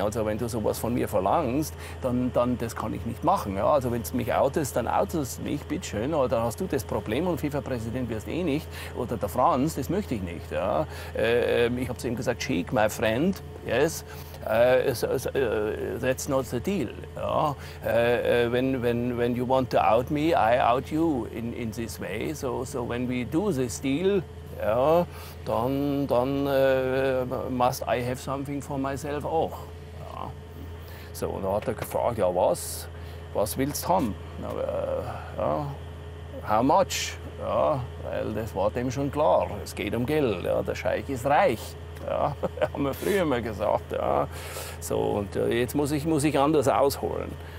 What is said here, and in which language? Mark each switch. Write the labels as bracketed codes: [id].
[de] Also wenn du sowas von mir verlangst, dann das kann ich nicht machen. Ja, also wenn du mich outest, dann outest mich, bitteschön, oder dann hast du das Problem und FIFA-Präsident wirst eh nicht. Oder der Franz, das möchte ich nicht. Ja, ich habe zu ihm gesagt, [en] Cheek, my friend, yes. That's not the deal. Ja. When you want to out me, I out you in this way. So when we do this deal, [de] ja, dann [en] must I have something for myself [de] auch. Ja. So, und dann hat er gefragt, ja, was willst du haben? Ja, [en] how much? [de] Ja, weil das war dem schon klar. Es geht um Geld. Ja. Der Scheich ist reich. Ja, haben wir früher mal gesagt. Ja. So, und jetzt muss ich anders ausholen.